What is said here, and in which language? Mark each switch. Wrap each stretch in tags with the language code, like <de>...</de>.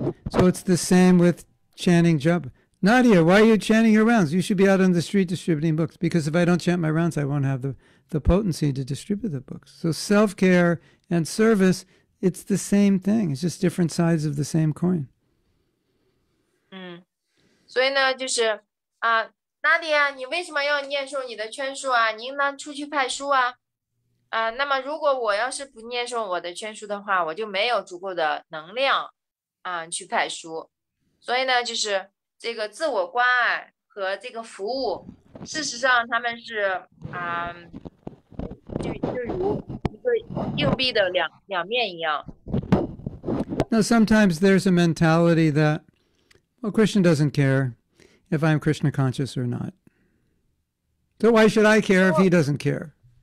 <en>So it's the same with chanting japa. Nadia, why are you chanting your rounds? You should be out on the street distributing books, because if I don't chant my rounds, I won't have the potency to distribute the books. So self-care and service, it's the same thing. It's just different sides of the same coin.</en> <zh>所以呢,就是,Nadia,你为什么要念诵你的劝书啊?您呢,出去派书啊?那么如果我要是不念诵我的劝书的话,我就没有足够的能量去派书。所以呢,就是, 这个自我关爱和这个服务，事实上他们是就如一个硬币的两面一样。Now</zh> <en>sometimes there's a mentality that, well, Krishna doesn't care if I'm Krishna conscious or not. So why should I care if he doesn't care?</en>